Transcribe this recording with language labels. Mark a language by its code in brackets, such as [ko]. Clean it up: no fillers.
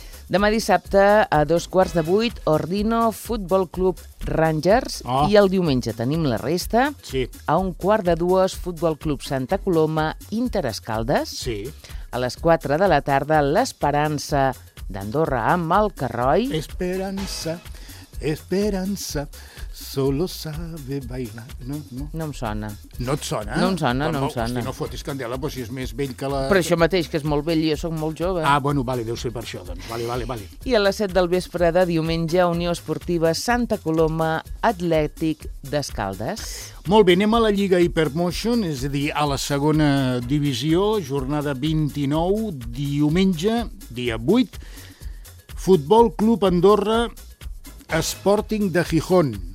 [ca] Demà dissabte, a 8:15, Ordino Futbol Club Rangers. I el diumenge tenim la resta. Sí. A 13:45, Futbol Club Santa Coloma, Interescaldes. Sí. A 4:00 de la tarda, l'Esperança d'Andorra amb el Carroi. [es] Esperança, esperança, solo sabe bailar. [ca] No, no. No em sona. No et sona? No em sona, però no em sona. Si no fotis candela, però si és més vell que la... Però això mateix, que és molt vell, jo sóc molt jove. Ah, bueno, vale, deu ser per això, doncs. Vale, vale, vale. I a 7:00 del vespre de diumenge, Unió Esportiva Santa Coloma, Atlètic d'Escaldes. Molt bé, anem a la Lliga Hypermotion, és a dir, a la segona divisió, jornada 29, diumenge, dia 8, Futbol Club Andorra, Sporting de Gijón.